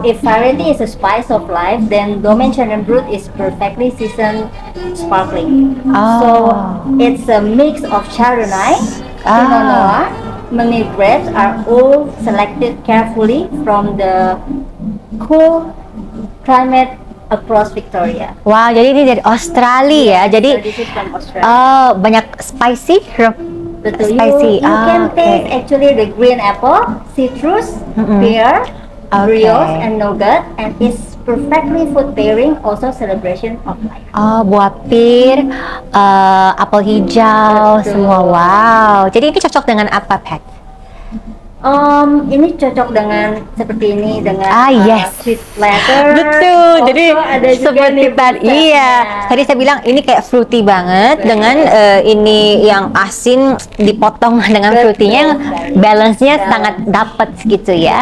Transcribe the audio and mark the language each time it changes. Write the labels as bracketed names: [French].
[English] If variety is a spice of life, then Domain Chandon Brut is perfectly seasoned sparkling. Oh. So it's a mix of Chardonnay, Pinot Noir, many grapes are all selected carefully from the cool climate across Victoria. [Indonesian] Wow, jadi ini dari Australia ya. Jadi [English] so [Indonesian] banyak spicy. Betul. Spicy. [English] You can taste actually the green apple, citrus, pear. Okay. Brioche and nougat, and it's perfectly food pairing, also celebration of life. [Indonesian] Oh, buah pir, apel hijau, semua. Wow. Jadi ini cocok dengan apa, Pat? Ini cocok dengan seperti ini, dengan sweet platter. Betul. [English] Also [Indonesian] jadi seperti Pat. Iya. Tadi saya bilang ini kayak fruity banget. Betul. Dengan ini yang asin dipotong dengan fruitynya, yang balance-nya sangat dapat gitu ya.